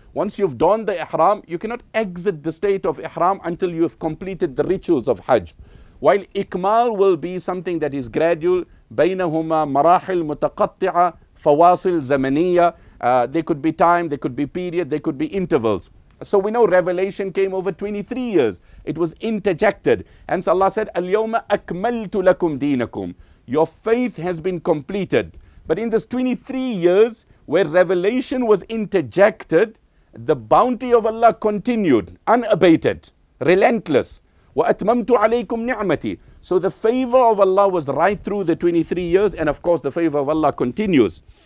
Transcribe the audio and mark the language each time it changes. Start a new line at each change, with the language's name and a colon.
English: Once you've donned the Ihram, you cannot exit the state of Ihram until you've completed the rituals of Hajj. While Ikmal will be something that is gradual,
Arabic: بَيْنَهُمَا مَرَاحِلْ مُتَقَطِّعَ فَوَاصِلْ زَمَنِيَّ.
English: There could be time, there could be period, there could be intervals. So we know revelation came over 23 years. It was interjected. Hence Allah said,
Arabic: الْيَوْمَ أَكْمَلْتُ لَكُمْ دِينَكُمْ.
English: Your faith has been completed. But in this 23 years, where revelation was interjected, the bounty of Allah continued, unabated, relentless.
Arabic: وَأَتْمَمْتُ عَلَيْكُمْ نِعْمَتِي.
English: So the favor of Allah was right through the 23 years, and of course the favor of Allah continues.